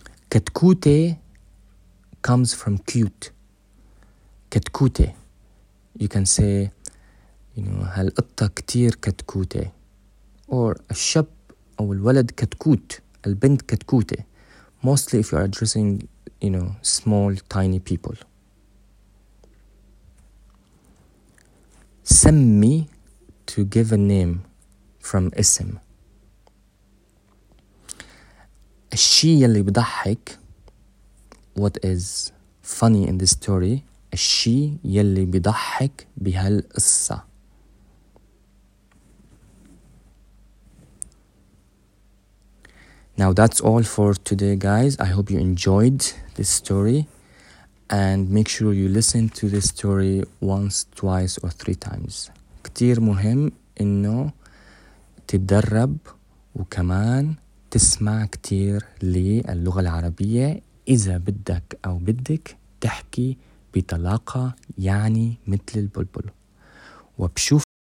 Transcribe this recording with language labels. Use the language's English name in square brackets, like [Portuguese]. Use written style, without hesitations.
[English] كتكوتي comes from cute. كتكوتي, you can say, you know, [Arabic] هالقطة كتير كتكوتي. [English] Or [Arabic] الشاب أو الولد كتكوت, البنت كتكوتي. [English] Mostly if you are addressing, you know, small, tiny people. سمي, to give a name, from اسم. [Arabic] الشي اللي بضحك, [English] what is funny in this story, [Arabic] الشي يلي بضحك بهالقصة. [English] Now that's all for today, guys. I hope you enjoyed this story. And make sure you listen to this story once, twice, or three times. [Arabic] كتير مهم إنه تدرب وكمان تسمع كتير للغة العربية إذا بدك أو بدك تحكي بطلاقة, يعني مثل البلبل. وبشوف